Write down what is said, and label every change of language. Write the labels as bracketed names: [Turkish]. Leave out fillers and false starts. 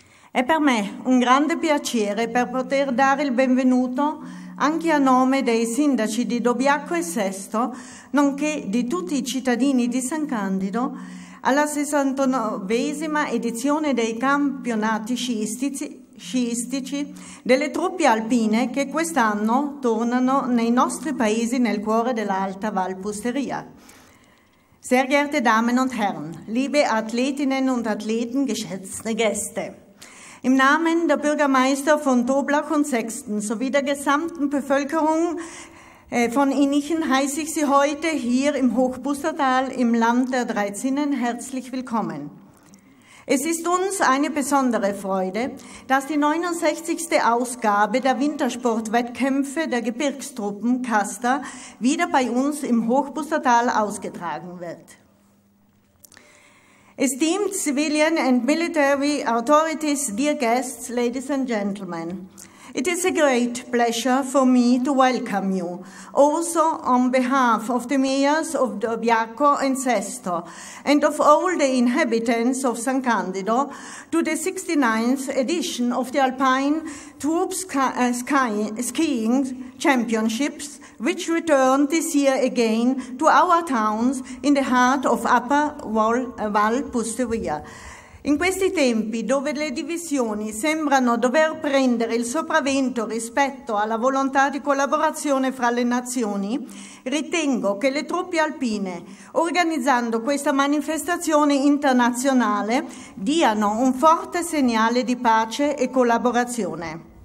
[Italian] È per me un grande piacere per poter dare il benvenuto anche a nome dei sindaci di Dobbiaco e Sesto, nonché di tutti i cittadini di San Candido, alla 69esima edizione dei campionati sciistici delle truppe alpine che quest'anno tornano nei nostri paesi nel cuore dell'alta Val Pusteria. [German] Sehr geehrte Damen und Herren, liebe Athletinnen und Athleten, geschätzte Gäste, im Namen der Bürgermeister von Toblach und Sexten sowie der gesamten Bevölkerung von Innichen heiße ich Sie heute hier im Hochbustertal im Land der Dreizinnen herzlich willkommen. Es ist uns eine besondere Freude, dass die 69. Ausgabe der Wintersportwettkämpfe der Gebirgstruppen Caster wieder bei uns im Hochbustertal ausgetragen wird. [English] Esteemed civilian and military authorities, dear guests, ladies and gentlemen, it is a great pleasure for me to welcome you, also on behalf of the mayors of Dobbiaco and Sesto, and of all the inhabitants of San Candido, to the 69th edition of the Alpine Troop Skiing Championships, which returned this year again to our towns in the heart of Upper Val Pusteria. [Italian] In questi tempi, dove le divisioni sembrano dover prendere il sopravvento rispetto alla volontà di collaborazione fra le nazioni, ritengo che le truppe alpine, organizzando questa manifestazione internazionale, diano un forte segnale di pace e collaborazione.